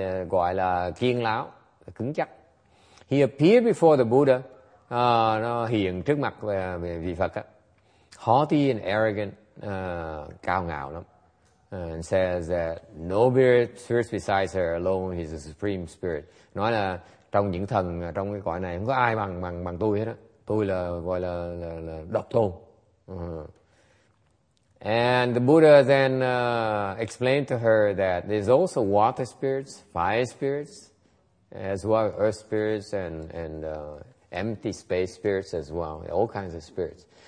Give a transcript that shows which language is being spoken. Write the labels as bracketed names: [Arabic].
[Vietnamese] Gọi là kiên lão, cứng chắc. [English] He appeared before the Buddha, [Vietnamese] nó hiện trước mặt vị Phật á. [English] Haughty and arrogant, [Vietnamese] cao ngạo lắm. [English] And says that no spirit besides her alone is the supreme spirit. [Vietnamese] Nói là trong những thần trong cái cõi này không có ai bằng tôi hết á. Tôi là gọi là độc tôn. [English] And the Buddha then explained to her that there's also water spirits, fire spirits, as well as earth spirits and empty space spirits as well, all kinds of spirits.